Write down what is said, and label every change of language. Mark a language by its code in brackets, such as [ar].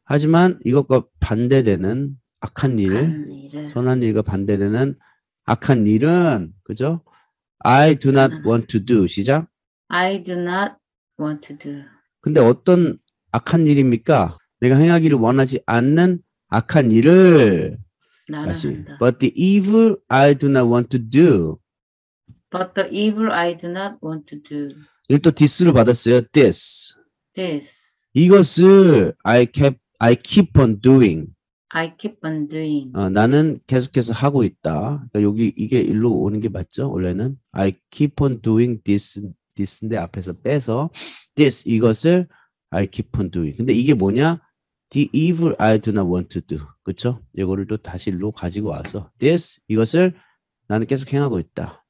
[ko] 하지만 이것과 반대되는 악한 일, 선한 일과 반대되는 악한 일은, 그죠? [en] I do not want to do. [ko] 시작. [en] I do not want to do. [ko] 근데 어떤 악한 일입니까? 내가 행하기를 원하지 않는 악한 일을. 다시. [en] But the evil I do not want to do. But the evil I do not want to do. [ko] 이게 또 this를 받았어요. This. [en] This. [ko] 이것을 [en] I keep on doing. I keep on doing. [ko] 나는 계속해서 하고 있다. 그러니까 여기 이게 일로 오는 게 맞죠? 원래는 [en] I keep on doing this [ko] 인데 앞에서 빼서 this 이것을 [en] I keep on doing. [ko] 근데 이게 뭐냐? [en] The evil I do not want to do. [ko] 그렇죠? 이거를 또 다시 일로 가지고 와서 this 이것을 나는 계속 행하고 있다.